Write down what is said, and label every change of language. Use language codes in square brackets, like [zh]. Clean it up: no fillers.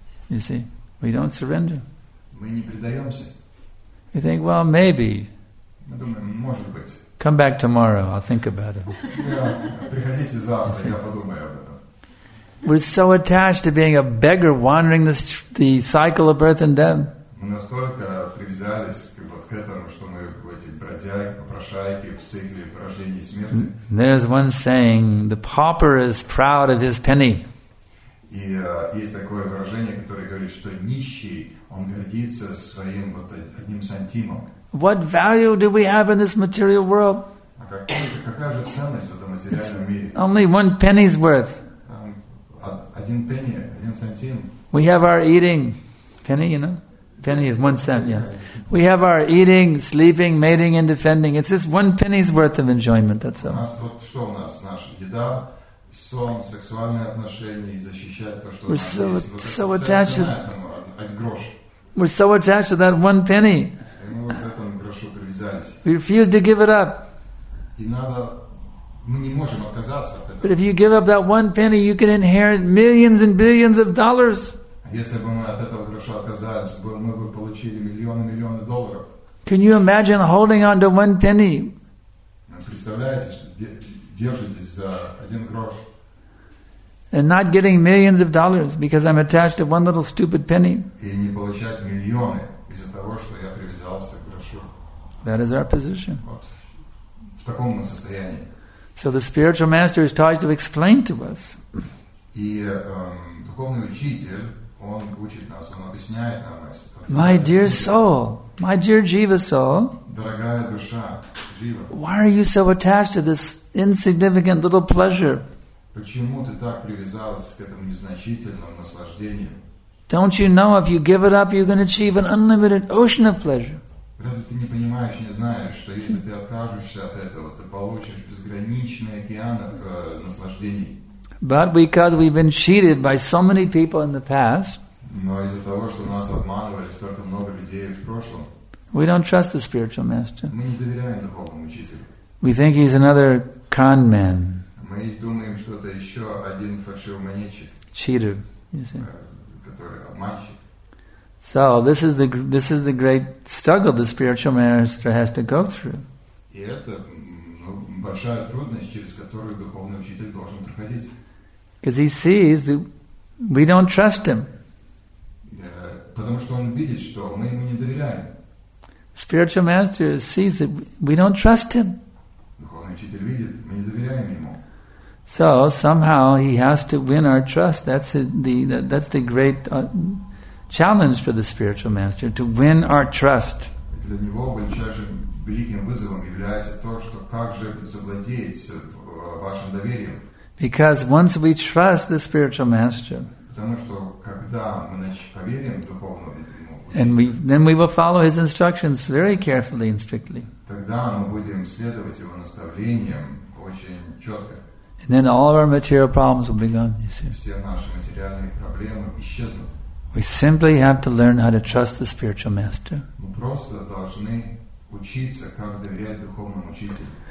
[en] You see? We don't surrender. [ru] Мы не предаемся. [en] We think, well, maybe. [ru] Мы думаем, может быть. [en] Come back tomorrow, I'll think about it. [ru] Приходите завтра, я подумаю об этом. [en] We're so attached to being a beggar wandering the cycle of birth and death. [ru] Мы настолько привязались вот к этому, что мы эти бродяги, попрошайки в цикле рождения и смерти. [en] There's one saying, the pauper is proud of his penny. [ru] И есть такое выражение, которое говорит, что нищий, он гордится своим вот одним сантимом. [en] What value do we have in this material world? [ru] Какая же ценность в этом материальном мире? [en] Only one penny's worth. [ru] Один пенни, один сантим. [en] We have our eating. Penny, you know? Penny is 1 cent, yeah. We have our eating, sleeping, mating, and defending. It's just one penny's worth of enjoyment, that's all. [ru] У нас, вот, что у нас? Наша еда, сон, сексуальные отношения и защищать то, что [en] We're [ru] у нас [en] so, [ru] есть. [en] So attached [ru] этому, грош. [en] We're so attached to that one penny. [ru] И мы вот к этому грошу привязались. [en] We refuse to give it up. [ru] И надо... Мы не можем отказаться от этого. [en] But if you give up that one penny, you can inherit millions and billions of dollars. [ru] Если бы мы от этого гроша отказались, мы бы получили миллионы и миллионы долларов. [en] Can you imagine holding on to one penny? [ru] Представляете, что держитесь за один грош. [en] And not getting millions of dollars because I'm attached to one little stupid penny. [ru] И не получать миллионы из-за того, что я привязался к грошу. [en] That is our position. [ru] Вот. В таком мы состоянии. [en] So the spiritual master is trying to explain to us. [ru] И духовный учитель, он учит нас, он объясняет нам. [en] My dear soul, my dear Jiva soul, [ru] дорогая душа, Jiva, [en] why are you so attached to this insignificant little pleasure? [ru] Почему ты так привязалась к этому незначительному наслаждению? [en] Don't you know if you give it up, you can achieve an unlimited ocean of pleasure? [ru] Разве ты не понимаешь, не знаешь, что если ты откажешься от этого, ты получишь безграничный океан наслаждений? [en] But because we've been cheated by so many people in the past, [ru] но из-за того, что нас обманывали столько много людей в прошлом, [en] we don't trust the spiritual master. [ru] Мы не доверяем духовному учителю. [en] We think he's another con man. [ru] Мы думаем, что это еще один фальшивомонетчик. [en] Cheater, you see. [ru] Который обманщик. [en] So this is the great struggle the spiritual master has to go through. [ru] И это большая трудность, через которую духовный учитель должен проходить. [en] Because he sees that we don't trust him. [ru] Потому что он видит, что мы ему не доверяем. [en] Spiritual master sees that we don't trust him. [ru] Духовный учитель видит, мы не доверяем ему. [en] So somehow he has to win our trust. That's the great challenge for the spiritual master, to win our trust. [ru] Для него великим вызовом является то, что как же завладеть вашим доверием. [en] Because once we trust the spiritual master, [ru] потому что когда мы поверим духовному учителю, [en] and then we will follow his instructions very carefully and strictly. [ru] Тогда мы будем следовать его наставлениям очень четко. [en] And then all of our material problems will be gone, you see. [ru] Все наши материальные проблемы исчезнут. [en] We simply have to learn how to trust the spiritual master. [ru] Мы просто должны учиться, как доверять духовному учителю.